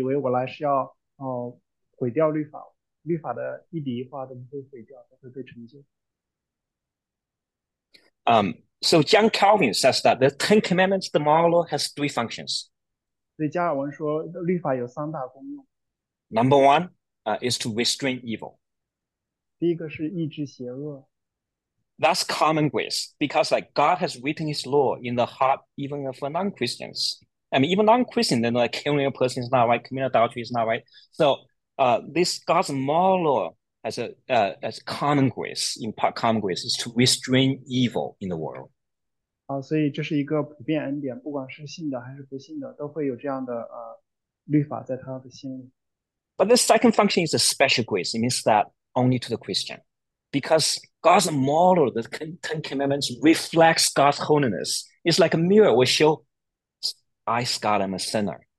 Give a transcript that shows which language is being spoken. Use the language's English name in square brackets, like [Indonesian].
[Chinese] 所以耶稣来，在圣经当中他说，不要以为我来是要毁掉律法，律法的一笔一画都不会毁掉，都会被成就。 [English] So John Calvin says that the Ten Commandments, the moral law, has three functions. [Chinese] 所以加尔文说，律法有三大功用。 [English] Number one, is to restrain evil. [Chinese] 第一个是抑制邪恶。 [English] That's common grace, because like God has written His law in the heart even of non-Christians. I mean, even non-Christians, they're like killing a person is not right, committing adultery is not right. So this God's moral law as a as common grace, in part common grace, is to restrain evil in the world. [Chinese] 所以这是一个普遍恩典，不管是信的还是不信的，都会有这样的律法在他的心里。 [English] But the second function is a special grace. It means that only to the Christian. Because God's moral, the Ten Commandments, reflects God's holiness. It's like a mirror will show, I, God, I'm a sinner.